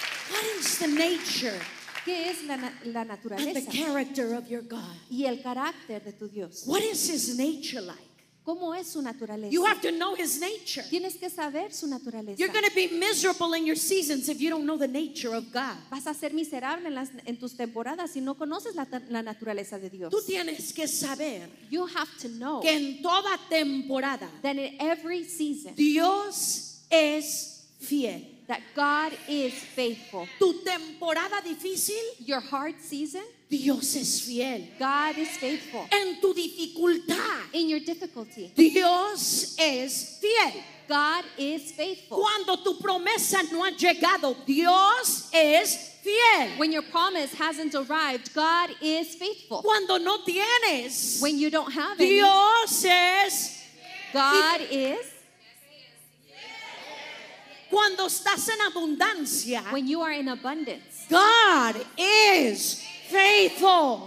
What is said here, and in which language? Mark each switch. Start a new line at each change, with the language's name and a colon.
English: What is the nature?
Spanish: ¿Qué es la naturaleza?
English: And the character of your God.
Spanish: Y el carácter de tu Dios.
English: What is his nature like?
Spanish: ¿Cómo es su naturaleza?
English: You have to know his nature.
Spanish: Tienes que saber su naturaleza.
English: You're going to be miserable in your seasons if you don't know the nature of God.
Spanish: Vas a ser miserable en tus temporadas si no conoces la naturaleza de Dios. Tú tienes que saber.
English: You have to know.
Spanish: Que en toda temporada.
English: That in every season.
Spanish: Dios es fiel.
English: That God is faithful.
Spanish: Tu temporada difícil.
English: Your hard season.
Spanish: Dios es fiel.
English: God is faithful.
Spanish: En tu dificultad.
English: In your difficulty.
Spanish: Dios es fiel.
English: God is faithful.
Spanish: Cuando tu promesa no ha llegado, Dios es fiel.
English: When your promise hasn't arrived, God is faithful.
Spanish: Cuando no tienes.
English: When you don't have it.
Spanish: Dios es fiel.
English: God is.
Spanish: Cuando estás en abundancia,
English: when you are in abundance, God is faithful.